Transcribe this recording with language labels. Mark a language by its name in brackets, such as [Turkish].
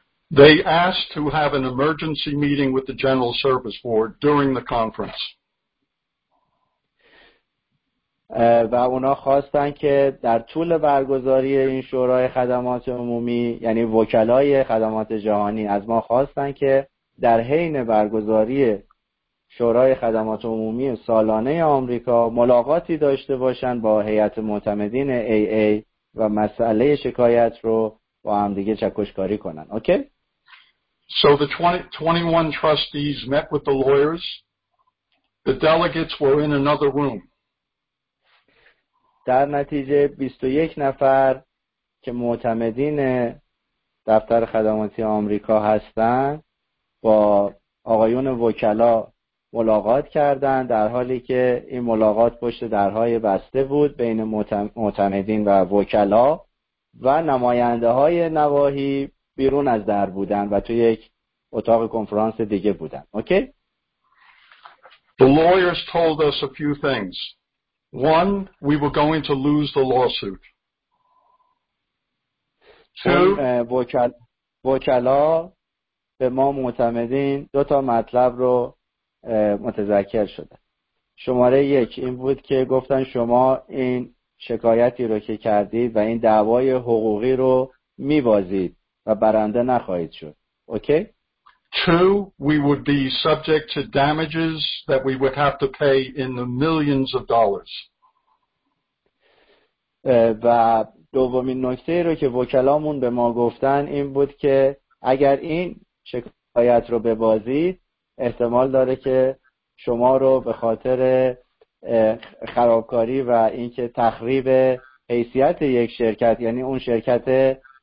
[English] They asked to have an emergency meeting with the General Service Board during the conference. [Persian] و اونا خواستن که در طول برگزاری این شورای خدمات عمومی، یعنی وکلای خدمات جهانی از ما خواستن که در حین برگزاری شورای خدمات عمومی سالانه آمریکا ملاقاتی داشته باشن با هیئت معتمدین AA و مسئله شکایت رو با هم دیگه چکشکاری کنن. [English] Okay? So the 21 trustees met with the lawyers. The delegates were in another room. [Persian] در نتیجه 21 نفر که معتمدین دفتر خدماتی آمریکا هستند با آقایون وکلا ملاقات کردند، در حالی که این ملاقات پشت درهای بسته بود بین معتمدین و وکلا و نماینده های نواحی بیرون از در بودند و توی یک اتاق کنفرانس دیگه بودند. [English] Okay? The lawyers told us a few things. One, we were going to lose the lawsuit. Two, [Persian] وکلا به ما معتمدین دو تا مطلب رو متذکر شده. شماره یک این بود که گفتن شما این شکایتی رو که کردید و این دعوای حقوقی رو میبازید و برنده نخواهید شد. [English] Okay? Two, we would be subject to damages that we would have to pay in the millions of dollars. [Persian] و دومین نکته رو که وکلامون به ما گفتن این بود که اگر این شکایت رو ببازید احتمال داره که شما رو به خاطر خرابکاری و اینکه تخریب حیثیت یک شرکت، یعنی اون شرکت